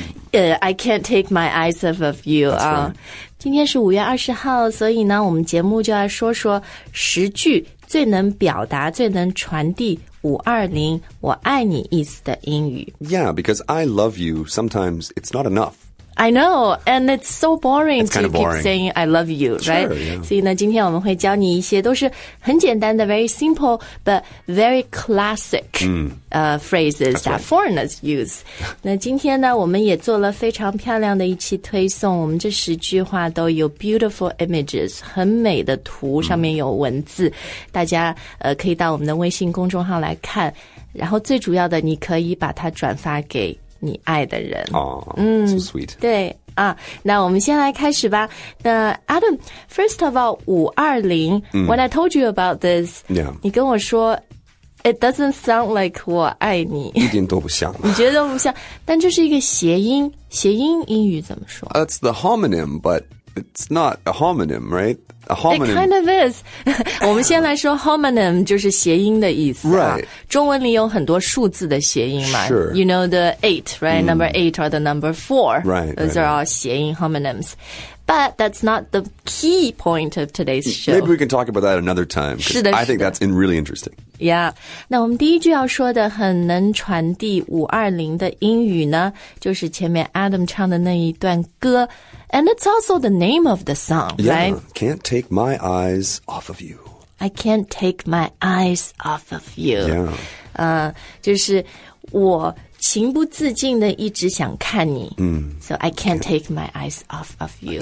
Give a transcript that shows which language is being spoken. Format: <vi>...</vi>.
<en>I can't take my eyes off of you.</en> <zh>今天是5月20号，所以呢，我们节目就要说说十句最能表达、最能传递520我爱你意思的英语。</zh> <en>Yeah, because I love you, sometimes it's not enough. I know, and it's so boring to keep saying I love you, right? Sure, yeah.</en> <zh>所以呢，今天我们会教你一些都是很简单的</zh> <en>very simple, but very classic phrases that foreigners use.</en> <zh>那今天呢，我们也做了非常漂亮的一期推送，我们这十句话都有</zh> <en>beautiful images,</en> <zh>很美的图，上面有文字，大家可以到我们的微信公众号来看，然后最主要的你可以把它转发给你爱的人。</zh> <en>So sweet.</en> <zh>对啊，那我们先来开始吧。</zh> <en>那 Adam, first of all, 520,when I told you about this, yeah.</en> <zh>你跟我说</zh> <en>it doesn't sound like</en> <zh>我爱你。一点都不像。你觉得都不像，但这是一个谐音，谐音英语怎么说？</zh> <en>That's the homonym, but it's not a homonym, right? It kind of is.</en> <zh>我们先来说 homonym 就是谐音的意思、啊。</zh> <en>Right.</en> <zh>中文里有很多数字的谐音嘛。</zh> <en>Sure. You know the eight, right?、Mm. Number eight or the number four. Right. Those are all 谐音 homonyms. But that's not the key point of today's show. Maybe we can talk about that another time.</en> <zh>是的，是的。</zh> <en>I think that's really interesting. Yeah.</en> <zh>那我们第一句要说的很能传递520的英语呢，就是前面 Adam 唱的那一段歌。</zh> <en>And it's also the name of the song, yeah, right? Yeah, can't take my eyes off of you. I can't take my eyes off of you. Yeah.</en> <zh>就是我情不自禁的一直想看你。 Mm.</zh> <en>So I can't take my eyes off of you.</en>